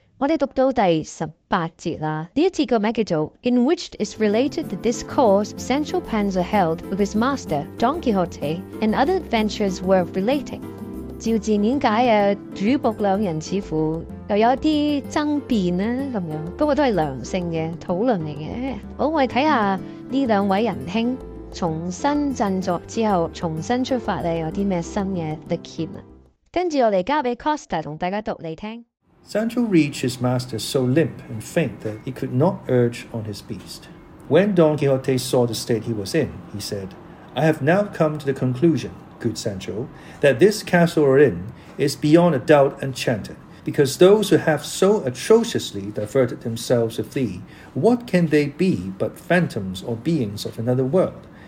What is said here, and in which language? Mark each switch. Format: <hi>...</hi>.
<yue>我哋读到第十八节啦，呢一节个名叫做</yue> <en>In which is related the discourse Sancho Panza held with his master Don Quixote and other adventures worth relating。</en> <yue>照字面解啊，主仆两人似乎又有一啲争辩啦，咁样，不过都系良性嘅讨论嚟嘅。好，我哋睇下呢两位仁兄。重新振作之后，重新出发咧，有啲咩新嘅历险啊？跟住我嚟交俾 Costa 同大家读嚟听。</yue> <en>Sancho reached his master so limp and faint that he could not urge on his beast. When Don Quixote saw the state he was in, he said, "I have now come to the conclusion, good Sancho, that this castle we're in is beyond a doubt enchanted, because those who have so atrociously diverted themselves with thee, what can they be but phantoms or beings of another world?</en>